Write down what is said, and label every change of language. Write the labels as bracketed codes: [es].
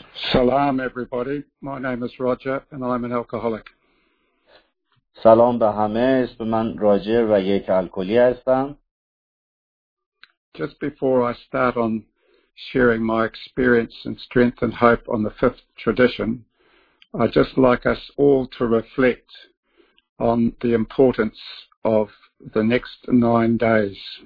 [en] Salam everybody, my name is Roger and I'm an alcoholic. [fa] سلام به همه، اسم من راجر و یک الکلی هستم. [en] Just before I start on sharing my experience and strength and hope on the fifth tradition, I'd just like us all to reflect on the importance of the next 9 days.